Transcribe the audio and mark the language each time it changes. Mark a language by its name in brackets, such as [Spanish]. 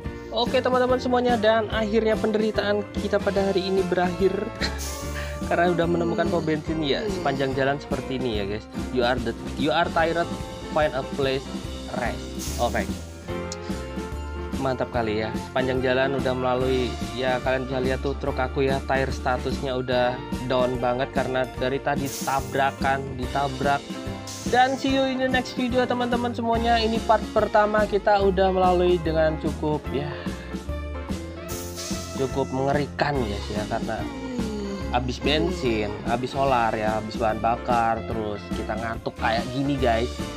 [Indonesian] Oke teman-teman semuanya, dan akhirnya penderitaan kita pada hari ini berakhir. Karena udah menemukan pom bensin ya, sepanjang jalan seperti ini ya guys. [English] You are tired, find a place, rest. [Indonesian] Oke. Mantap kali ya, sepanjang jalan udah melalui, ya kalian bisa lihat tuh truk aku ya, tire statusnya udah down banget karena dari tadi ditabrak. Dan [English] see you in the next video [Indonesian] teman-teman semuanya. Ini part pertama kita udah melalui dengan cukup ya, cukup mengerikan guys ya, karena abis bensin, abis solar ya, abis bahan bakar, terus kita ngantuk kayak gini guys.